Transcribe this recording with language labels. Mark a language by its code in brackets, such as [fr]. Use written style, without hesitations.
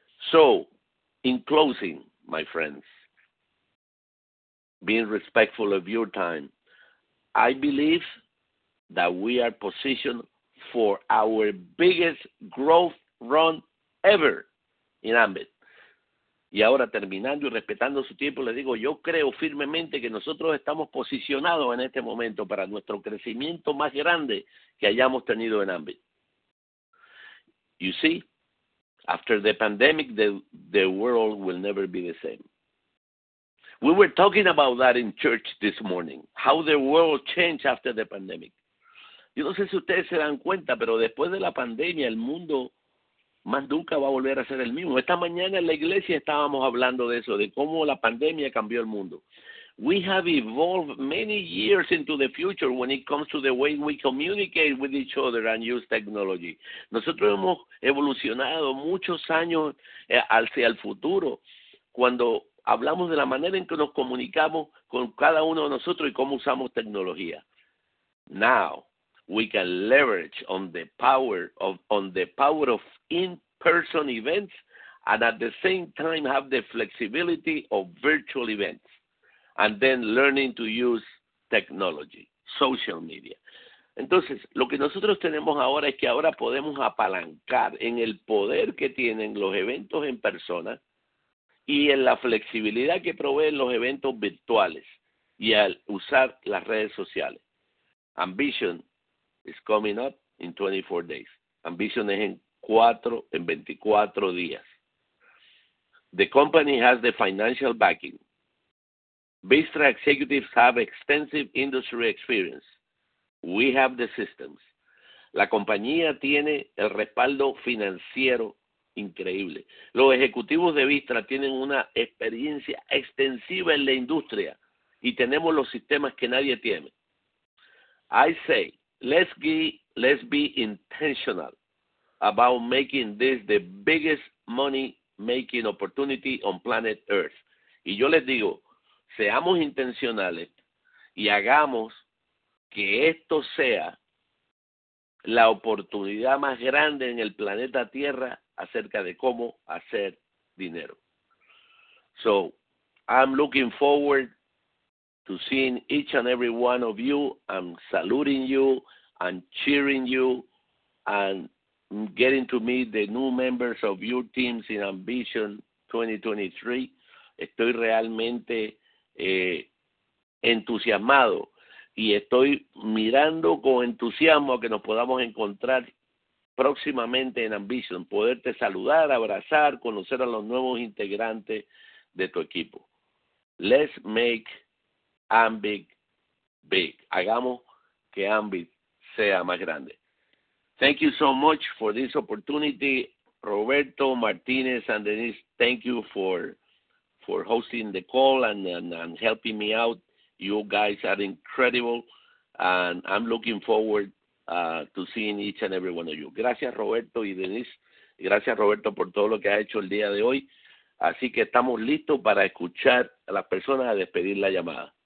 [en] So, in closing, my friends, being respectful of your time, I believe that we are positioned for our biggest growth run ever in Ambit. [es] Y ahora, terminando y respetando su tiempo, le digo, yo creo firmemente que nosotros estamos posicionados en este momento para nuestro crecimiento más grande que hayamos tenido en Ambit. [en] You see, after the pandemic, the world will never be the same. We were talking about that in church this morning, how the world changed after the pandemic. [es] Yo no sé si ustedes se dan cuenta, pero después de la pandemia, el mundo más nunca va a volver a ser el mismo. Esta mañana en la iglesia estábamos hablando de eso, de cómo la pandemia cambió el mundo. [en] We have evolved many years into the future when it comes to the way we communicate with each other and use technology. [es] Nosotros hemos evolucionado muchos años hacia el futuro cuando hablamos de la manera en que nos comunicamos con cada uno de nosotros y cómo usamos tecnología. [en] Now, we can leverage on the power of in-person events and at the same time have the flexibility of virtual events and then learning to use technology, social media. [es] Entonces, lo que nosotros tenemos ahora es que ahora podemos apalancar en el poder que tienen los eventos en persona y en la flexibilidad que proveen los eventos virtuales y al usar las redes sociales. [en] Ambition is coming up in 24 days. [es] Ambition es en 24 días. [en] The company has the financial backing. Vistra executives have extensive industry experience. We have the systems. [es] La compañía tiene el respaldo financiero increíble. Los ejecutivos de Vistra tienen una experiencia extensiva en la industria y tenemos los sistemas que nadie tiene. [en] I say, let's be intentional about making this the biggest money making opportunity on planet Earth. [es] Y yo les digo, seamos intencionales y hagamos que esto sea la oportunidad más grande en el planeta Tierra acerca de cómo hacer dinero. [en] So, I'm looking forward to seeing each and every one of you. I'm saluting you and cheering you and getting to meet the new members of your teams in Ambition 2023. [es] Estoy realmente entusiasmado y estoy mirando con entusiasmo que nos podamos encontrar próximamente en Ambition, poderte saludar, abrazar, conocer a los nuevos integrantes de tu equipo. [en] Let's make Ambig big. [es] Hagamos que Ambig sea más grande. [en] Thank you so much for this opportunity, Roberto, Martinez, and Denise. Thank you for hosting the call and helping me out. You guys are incredible, and I'm looking forward to seeing each and every one of you. [es] Gracias, Roberto y Denise. Gracias, Roberto, por todo lo que has hecho el día de hoy. Así que estamos listos para escuchar a las personas a despedir la llamada.